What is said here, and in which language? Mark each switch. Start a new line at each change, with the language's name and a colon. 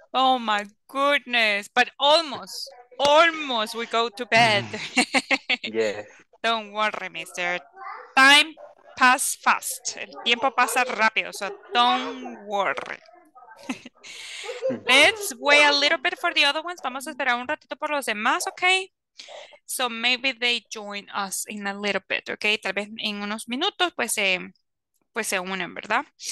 English: Oh my goodness, but almost, almost we go to bed. Yes. Don't worry, mister. Time pass fast.
Spanish: El tiempo pasa rápido,
English: so don't worry. Let's wait a little bit for the other ones.
Spanish: Vamos a esperar un ratito por los demás, okay?
English: So maybe they join us in a little bit, okay?
Spanish: Tal vez en unos minutos, pues se unen, ¿verdad?